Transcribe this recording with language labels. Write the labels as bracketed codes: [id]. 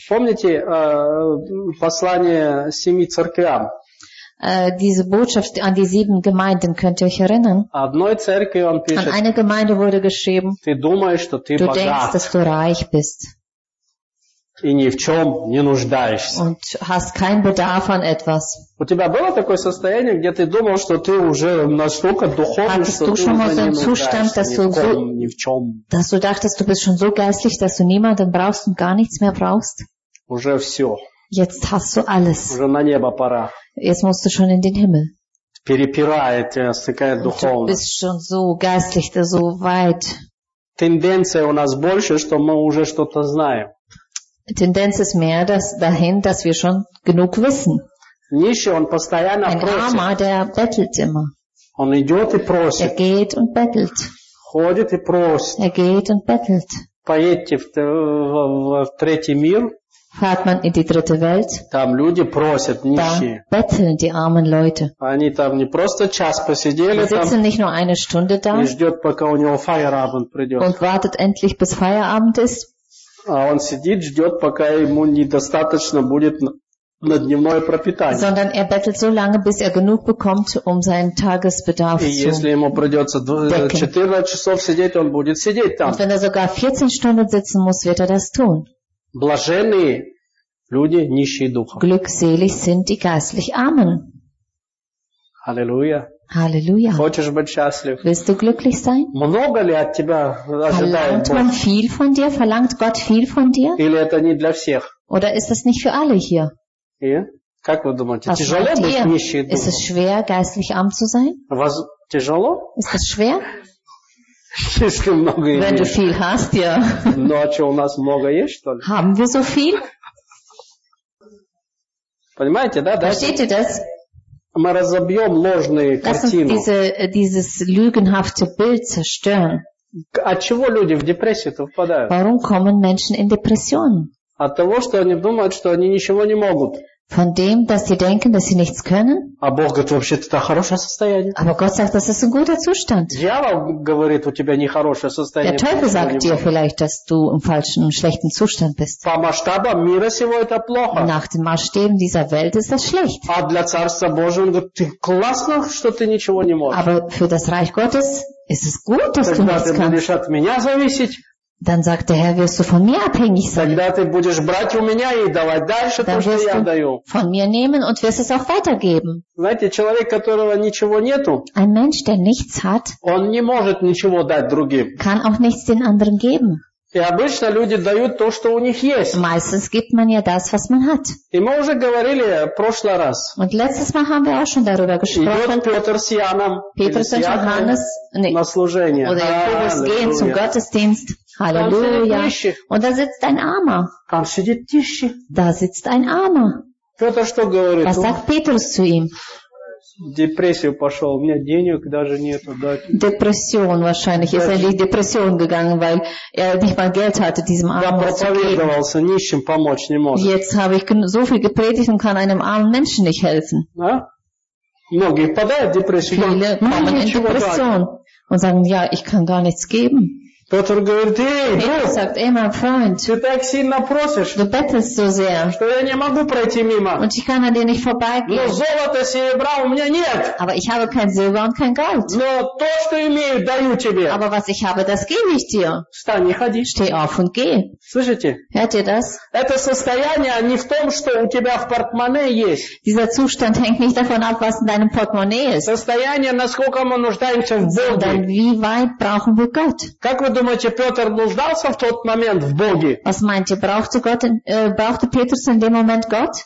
[ru] Помните послание семи церквям? [de] Diese Botschaft an die sieben Gemeinden, könnt ihr euch erinnern? [ru] Pischet, [de] an eine Gemeinde wurde geschrieben, [ru] ты думаешь, что ты [de] du [ru] богат. [de] Denkst, dass du reich bist. [ru] И ни в чем не нуждаешься. [de] Und hast keinen Bedarf an etwas. [ru] У тебя было такое состояние, где ты думал, что ты уже настолько духовный, [de] hattest [ru] что ты уже не нуждаешься [de] Zustand, dass du [ru] ком, ни в чем? [de] Dass du dachtest, du bist schon so geistlich, dass du niemanden brauchst und gar nichts mehr brauchst? [ru] Уже все. [de] Jetzt hast du alles. [ru] Уже на небо пора. [de] Jetzt musst du schon in den Himmel. [ru] Перепирает, такая духовность. [de] Du bist schon so geistlich, so weit. [ru] Тенденция у нас больше, что мы уже что-то знаем. [de] Tendenz ist mehr dass dahin, dass wir schon genug wissen. [ru] Нищий, он постоянно [de] Ein [ru] просит. [de] Armer, der bettelt immer. [ru] Он идет и просит. [de] Er geht und bettelt. [ru] Ходит и просит. [de] Er geht und bettelt. [ru] Поедьте в третий мир. [de] Fährt man in die dritte Welt, [ru] там люди просят, нищие. [de] Da betteln die armen Leute. [ru] Они там не просто час посидели [de] Sie sitzen [ru] там, [de] nicht nur eine Stunde da [ru] и ждет, пока у него Feierabend придет. [de] Und wartet endlich, bis Feierabend ist. [ru] А он сидит, ждет, пока ему недостаточно будет на дневное пропитание. [de] Sondern er bettelt so lange, bis er genug bekommt, um seinen Tagesbedarf [ru] И [de] zu [ru] если ему придется 14 часов сидеть, он будет сидеть там. [de] Und wenn er sogar 14 Stunden sitzen muss, wird er das tun. [ru] Блаженные люди, нищие духом. [de] Glückselig sind die geistlich Armen. Halleluja. Halleluja. [ru] Хочешь быть счастлив? [de] Willst du glücklich sein? [ru] Много ли от тебя ожидает Бог? [de] Viel von dir? Verlangt Gott viel von dir? [ru] Или это не для всех? [de] Oder ist das nicht für alle hier? [ru] И? Как вы думаете, [de] Was [ru] тяжело быть [de] ihr? [ru] Нищим духом? [de] Ist es schwer, geistlich arm zu sein? Was, [ru] тяжело? [de] Ist es schwer? [ru] Если много [de] Wenn [ru] имеешь. [de] Du viel hast, ja. [ru] Ну а что, у нас много есть, что ли? [de] Haben wir so viel? [ru] Понимаете, да? [de] Versteht ihr das? [ru] Мы разобьем ложные [de] Lass [ru] картины. [de] Uns dieses lügenhafte Bild zerstören. [ru] От чего люди в депрессию-то впадают? [de] Warum kommen Menschen in Depressionen? [ru] От того, что они думают, что они ничего не могут. [de] Von dem, dass sie denken, dass sie nichts können. [ru] А Бог говорит, вообще-то это хорошее состояние. [de] Aber Gott sagt, das ist ein guter Zustand. [ru] Дьявол говорит, у тебя нехорошее состояние. [de] Der Teufel sagt dir vielleicht, dass du im falschen, im schlechten Zustand bist. [ru] По масштабам мира сего это плохо. [de] Nach den Maßstäben dieser Welt ist das schlecht. [ru] А для Царства Божьего, он говорит, ты классно, что ты ничего не можешь. [de] Aber für das Reich Gottes ist es gut, dass [ru] Тогда [de] du nichts kannst. [ru] Тогда ты будешь от меня зависеть. [de] Dann sagt der Herr, wirst du von mir abhängig sein. [ru] Тогда ты будешь брать у меня и давать дальше то, что я даю. [de] Von mir nehmen und wirst es auch weitergeben. [ru] Знаете, человек, которого ничего нету, [de] Ein Mensch, der nichts hat, [ru] он не может ничего дать другим. [de] Kann auch nichts den anderen geben. [ru] И обычно люди дают то, что у них есть. [de] Meistens gibt man ja das, was man hat. [ru] И мы уже говорили в прошлый раз. [de] Und letztes Mal haben wir auch schon darüber gesprochen. [ru] Петр с Яном. [de] Petrus und Johannes. Nee. [ru] На служение. [de] Oder Jakobus gehen zum Gottesdienst. Halleluja. Und da sitzt ein Armer. [ru] Там сидит тищий. [de] Da sitzt ein Armer. [ru] Петр что говорит? [de] Was sagt Petrus zu ihm? [ru] Депрессию пошел, у меня денег даже нету дать. Депрессион, [de] wahrscheinlich, ist er in Depression gegangen, weil er nicht mal Geld hatte, diesem Armen zu geben. [ru] Я проповедовался, нищим помочь не может. [de] Jetzt habe ich so viel gepredigt und kann einem armen Menschen nicht helfen. Ja? [ru] Многие впадают в депрессию. [de] Viele kommen in Depression und sagen, ja, ich kann gar nichts geben. [ru] Петр говорит, эй, [de] Петр sagt, [ru] эй, [de] mein Freund, [ru] ты так сильно просишь, [de] du bettelst so sehr, [ru] что я не могу пройти мимо. [de] Und ich kann an dir nicht vorbeigehen. [ru] Но золота, серебра у меня нет. [de] Aber ich habe kein Silber und kein Gold. [ru] Но то, что имею, даю тебе. [de] Aber was ich habe, das gebe ich dir. [ru] Встань и ходи. [de] Steh auf und geh. [ru] Слышите? [de] Hört ihr das? [ru] Это состояние не в том, что у тебя в портмоне есть. [de] Dieser Zustand hängt nicht davon ab, was in deinem Portemonnaie ist. [ru] Состояние, насколько мы нуждаемся в Боге. [de] Sondern wie weit brauchen wir Gott? [ru] Как вы думаете, Петр нуждался в тот момент в Боге? [de] Was meint ihr, brauchte Petrus in dem Moment Gott?